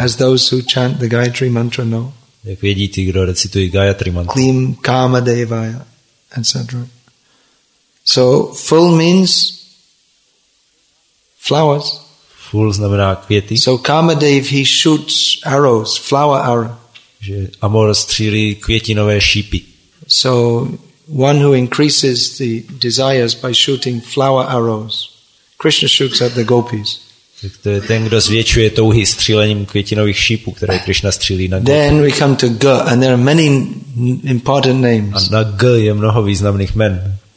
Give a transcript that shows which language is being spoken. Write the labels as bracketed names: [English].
[English] As those who chant the Gayatri mantra know. [Czech] Jak vědí ti, kdo recitují Gayatri mantra. [Sanskrit] Klim Kamadevaya, [English] etc. So, full means flowers. [Czech] Ful znamená květy. [English] So Kamadev, he shoots arrows, flower arrow. [Czech] Že Amor střílí květinové šípy. [English] So one who increases the desires by shooting flower arrows. Krishna shoots at the gopis. [Czech] Tak to je ten, kdo zvětšuje touhy střílením květinových šípů, které Krishna střílí na gopi. [English] Then we come to G, and there are many important names. [Czech] A na G je mnoho významných jmen.